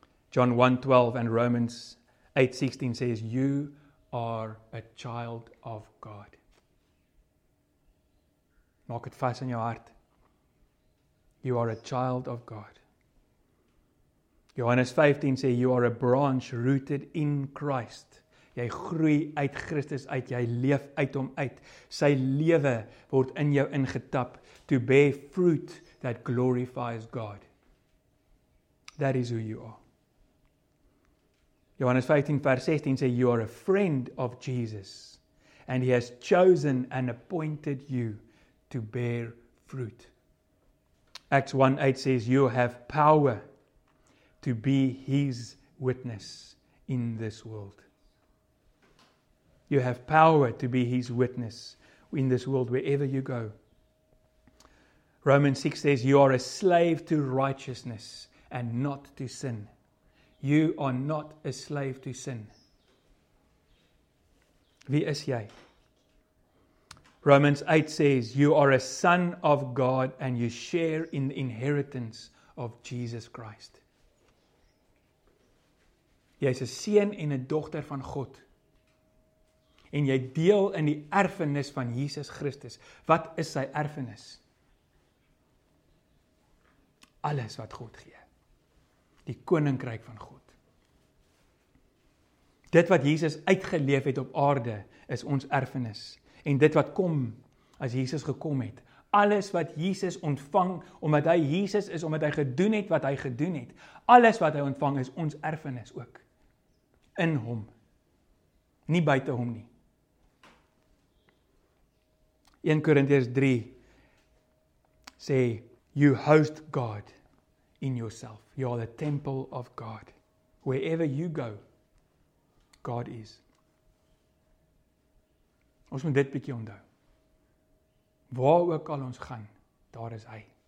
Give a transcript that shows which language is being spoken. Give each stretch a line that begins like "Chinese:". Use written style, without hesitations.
English: John 1:12 and Romans 8:16 says you are a child of God.
Afrikaans: Maak dit vas in jou hart.
English: You are a child of God. Johannes 15 sê you are a branch rooted in Christ.
Afrikaans: Jy groei uit Christus uit, jy leef uit hom uit. Sy lewe word in jou ingetap
English: to bear fruit that glorifies God. That is who you are. Johannes 15 vers 16 sê, you are a friend of Jesus and he has chosen and appointed you to bear fruit. Acts 1:8 says, you have power to be his witness in this world. You have power to be his witness in this world wherever you go. Romans 6 says, you are a slave to righteousness and not to sin. You are not a slave to sin.
Afrikaans: Wie is jy?
English: Romans 8 says, you are a son of God and you share in the inheritance of Jesus Christ.
Afrikaans: Jy is 'n seun en 'n dogter van God. En jy deel in die erfenis van Jesus Christus. Wat is sy erfenis? Alles wat God gee. Die koninkryk van God. Dit wat Jesus uitgeleef het op aarde is ons erfenis. En dit wat kom as Jesus gekom het. Alles wat Jesus ontvang, omdat hy Jesus is, omdat hy gedoen het wat hy gedoen het. Alles wat hy ontvang is ons erfenis ook. In hom. Nie buite hom nie.
English: 1 Korintiërs 3 sê, you host God in yourself. You are the temple of God. Wherever you go, God is.
Afrikaans: Ons moet dit bietjie onthou. Waar ook al ons gaan, daar is hy.